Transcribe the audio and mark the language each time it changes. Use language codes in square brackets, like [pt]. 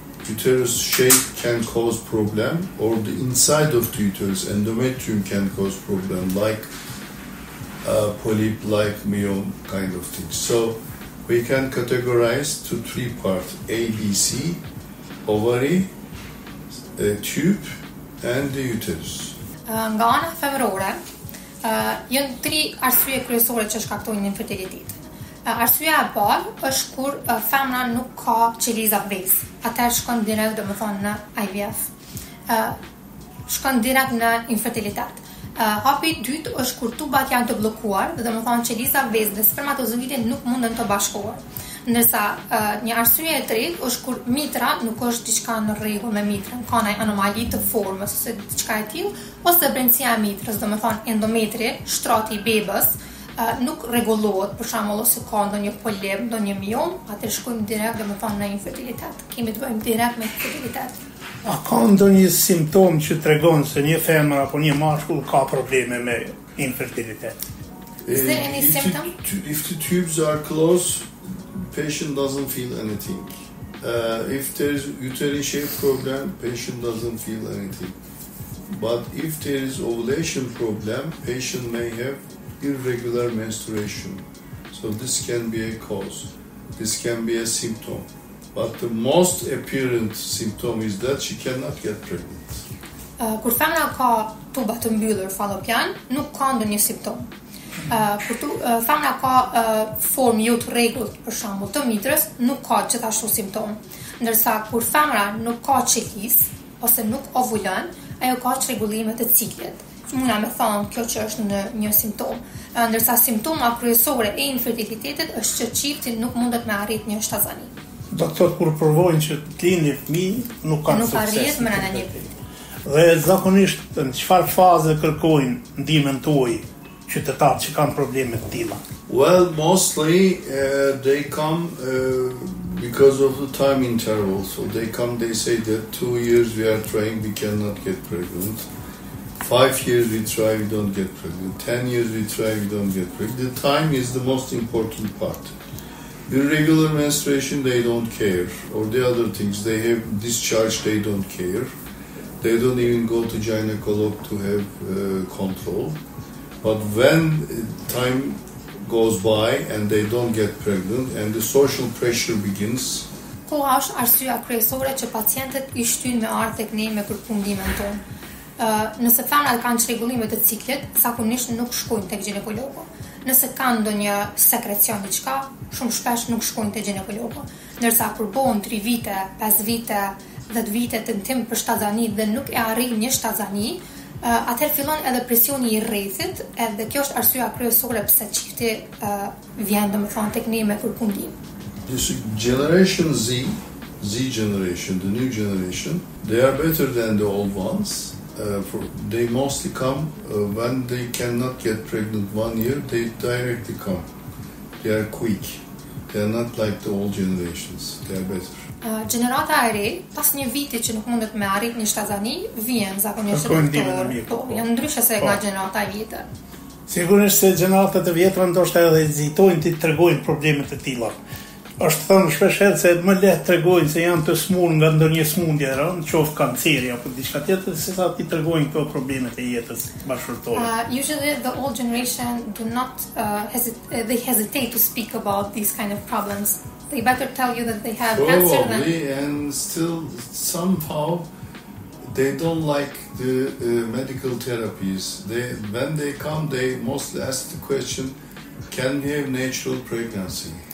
[en] Uterus shape can cause problem, or the inside of the uterus, endometrium, can cause problem, like polyp, like myome kind of thing. So we can categorize to three parts: A, B, C, ovary, tube, and the uterus. [sq] Nga ana femërore, janë tre arsye kryesore që shkaktojnë infertilitet. Arsyeja e parë është kur femra nuk ka qeliza bes. Atëherë shkon direkt, domethënë, në IVF. Shkon direkt në infertilitet. Hapi i dytë është kur tubat janë të bllokuar, domethënë qeliza bes dhe spermatozoidi nuk munden të bashkohen. Ndërsa një arsye e tretë është kur mitra nuk është diçka në rregull me mitrën, ka një anomali të formës ose diçka e tillë, ose brendësia e mitrës, domethënë endometri, shtrati i bebës, nuk rregullohet, për shembull, ose ka ndonjë polip, ndonjë miom, atë shkojmë direkt, domethënë, në infertilitet. Kemi të bëjmë direkt me infertilitet. A ka ndonjë simptom që tregon se një femër apo një mashkull ka probleme me infertilitet? [en] Is there any symptom? If the tubes are closed, patient doesn't feel anything. If there is uterine shape problem, patient doesn't feel anything. But if there is ovulation problem, patient may have irregular menstruation. So this can be a cause. This can be a symptom. But the most apparent symptom is that she cannot get pregnant. [sq] Kur femra ka tuba të mbyllur fallopian, nuk ka ndonjë simptom. Kur femra ka formë jo të rregullt, për shembull, të mitrës, nuk ka gjithashtu simptom. Ndërsa kur femra nuk ka qeliz ose nuk ovulon, ajo ka çrregullime të ciklit. Muna me thonë kjo që është në një simptom. Ndërsa simptoma kryesore e infertilitetit është që çifti nuk mundet me arrit një shtazani. Doktor, kur provojnë që të lini fëmijë, nuk kanë sukses. Nuk arrit më rana një. Dhe zakonisht, në çfarë faze kërkojnë ndihmën tuaj qytetarët që kanë probleme të tilla? [en] Well, mostly they come because of the time interval. So they come, they say that 2 years we are trying, we cannot get pregnant. 5 years we try, we don't get pregnant. 10 years we try, we don't get pregnant. The time is the most important part. Irregular menstruation, they don't care. Or the other things, they have discharge, they don't care. They don't even go to gynecologist to have control. But when time goes by and they don't get pregnant and the social pressure begins, [sq] ku është arsyeja kryesore që pacientët i shtyn me ardhë tek ne me kërkim ndihmën tonë? Nëse femrat kanë çrregullime të ciklit, zakonisht nuk shkojnë tek ginekologu. nëse ka ndonjë sekrecion diçka, shumë shpesh nuk shkojnë te ginekologu. Ndërsa kur bëhen 3 vite, 5 vite, 10 vite tentim për shtazani dhe nuk e arrin një shtazani, atëherë fillon edhe presioni i rrethit, edhe kjo është arsyeja kryesore pse çifti vjen domethënë tek ne me kërkundim. [en] Generation Z, Z generation, the new generation, they are better than the old ones. For they mostly come when they cannot get pregnant 1 year, they directly come. They are quick. They are not like the old generations. They are better. [sq] Gjenerata e re, pas një viti që nuk mundet me arrit një shtazani, vjen zakonisht doktor. Po, janë ndryshe se nga gjenerata e vjetër. Sigurisht se gjeneratat e vjetra ndoshta edhe hezitojnë të tregojnë problemet e tilla. Është thënë shpeshherë se më lehtë tregojnë se janë të smur nga ndonjë smundje, në qoftë kanceri apo diçka tjetër, se sa ti tregojnë këto problemet e jetës bashkëshortore. [en] Usually the old generation do not hesitate to speak about these kind of problems. They better tell you that they have probably cancer than... and still somehow they don't like the medical therapies. They when they come they mostly ask the question, can we have natural pregnancy?